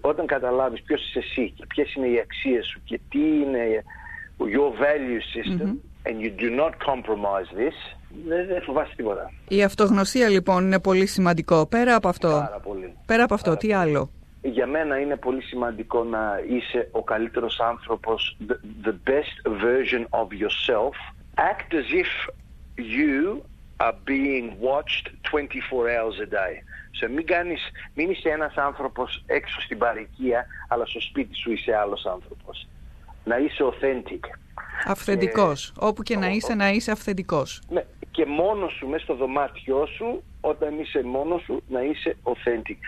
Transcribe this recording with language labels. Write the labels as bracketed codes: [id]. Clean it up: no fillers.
[el] Όταν καταλάβεις ποιος είσαι εσύ και ποιες είναι οι αξίες σου και τι είναι [en] your value system and you do not compromise this, [el] δεν φοβάσαι τίποτα. Η αυτογνωσία λοιπόν είναι πολύ σημαντικό. Πέρα από αυτό. Πάρα πολύ. Πέρα από αυτό, τι άλλο? Για μένα είναι πολύ σημαντικό να είσαι ο καλύτερος άνθρωπος, [en] the best version of yourself. Act as if you are being watched 24 hours a day. [el] So μην είσαι ένας άνθρωπος έξω στην παροικία, αλλά στο σπίτι σου είσαι άλλος άνθρωπος. Να είσαι authentic. Αυθεντικός. Όπου και να είσαι, να είσαι αυθεντικός. Ναι. Και μόνος σου, μέσα στο δωμάτιό σου, όταν είσαι μόνος σου, να είσαι authentic.